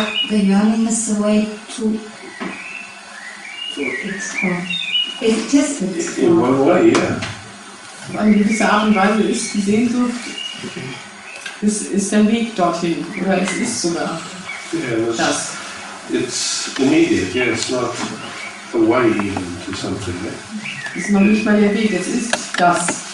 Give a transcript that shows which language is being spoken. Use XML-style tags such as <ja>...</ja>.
<en>The yearning is the way to explore. It is the explore. In one way, yeah.</en> <de>Eine gewisse Art und Weise ist die Sehnsucht, ist der Weg dorthin, oder es ist sogar das.</de> <en>It's immediate, yeah, it's not the way to something.</en> <de>Es ist noch nicht mal der Weg, es ist das.</de>